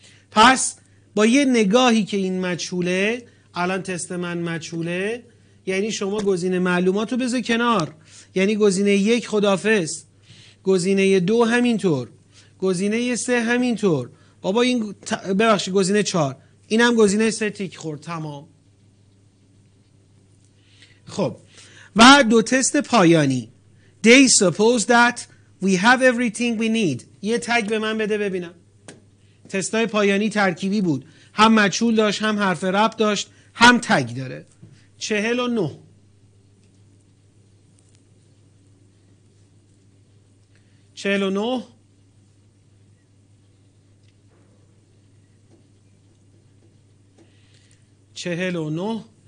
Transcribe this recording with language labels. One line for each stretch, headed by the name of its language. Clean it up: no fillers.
Persian: پس با یه نگاهی که این مجهوله، الان تست من مجهوله، یعنی شما گزینه معلومات رو بذار کنار، یعنی گزینه 1 خدافظ، گزینه 2 همینطور، گزینه 3 همینطور، بابا این ببخشید گزینه 4، اینم گزینه 3 تیک خورد، تمام. خب و دو تست پایانی.
English: They suppose that we have everything we need.
Persian: یه تگ به من بده ببینم. تستای پایانی ترکیبی بود، هم مجهول داشت، هم حرف ربط داشت، هم تگ داره. 49.